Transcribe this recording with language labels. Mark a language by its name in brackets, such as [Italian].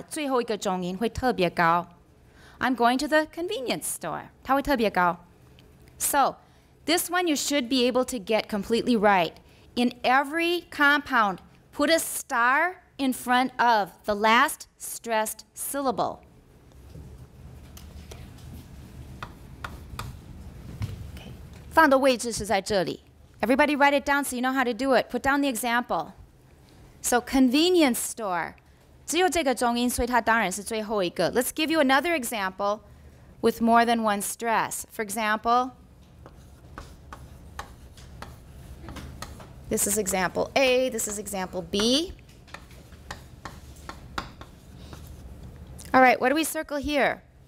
[Chinese] 一段话的最后一个重音会特别高. [English] I'm going to the convenience store. [Chinese] 它会特别高. [English] So, this one you should be able to get completely right. In every compound, put a star in front of the last stressed syllable. Found the [Chinese] 位置是在这里. [English] Everybody write it down so you know how to do it. Put down the example. So convenience store. [Chinese] 只有这个重音,所以它当然是最后一个. [English] Let's give you another example with more than one stress. For example, this is example A, this is example B. All right, what do we circle here?